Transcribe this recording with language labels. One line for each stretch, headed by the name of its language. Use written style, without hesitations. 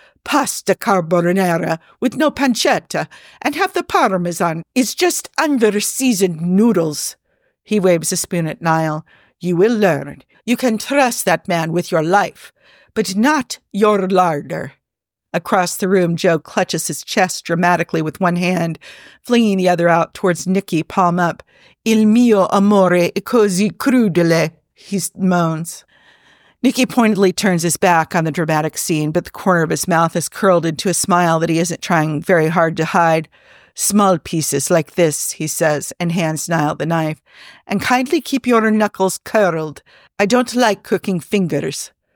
English: Pasta carbonara with no pancetta and half the parmesan is just under-seasoned noodles. He waves a spoon at Niall. You will learn. You can trust that man with your life, but not your larder. Across the room, Joe clutches his chest dramatically with one hand, flinging the other out towards Nikki, palm up.
Italian: Il mio amore è così crudele,
English: he moans. Nikki pointedly turns his back on the dramatic scene, but the corner of his mouth is curled into a smile that he isn't trying very hard to hide. Small pieces like this, he says, and hands Niall the knife. And kindly keep your knuckles curled. I don't like cooking fingers.